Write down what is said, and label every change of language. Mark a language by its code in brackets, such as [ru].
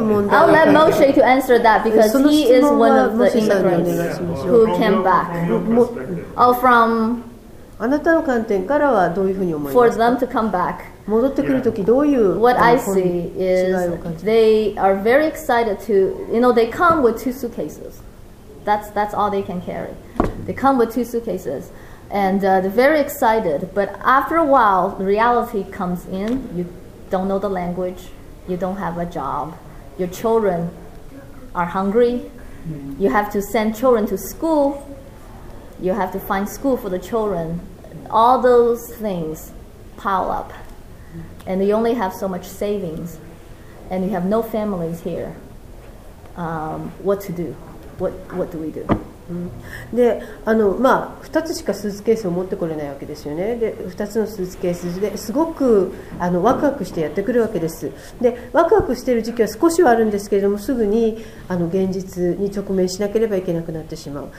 [en] I'll let Moshe to answer that because he is one of the immigrants who came back. Oh, from. [ja] あなたの観点からはどういうふうに思いますか? [en] For them to come back. [ja] 戻ってくるときどういう [en] What I see is they are very excited to, you know, they come with two suitcases. That's all they can carry. They come with two suitcases, and they're very excited. But after a while, reality comes in. You don't know the language. You don't have a job. Your children are hungry. You have to send children to school. You have to find school for the children. All those things pile up. And you only have so much savings, and you have no families here. What to do? What do we do? [ja] で、まあ、二つしかスーツケースを持ってこれないわけですよね。で、二つのスーツケースですごくワクワクしてやってくるわけです。で、ワクワクしている時期は少しはあるんですけれども、すぐに現実に直面しなければいけなくなってしまう。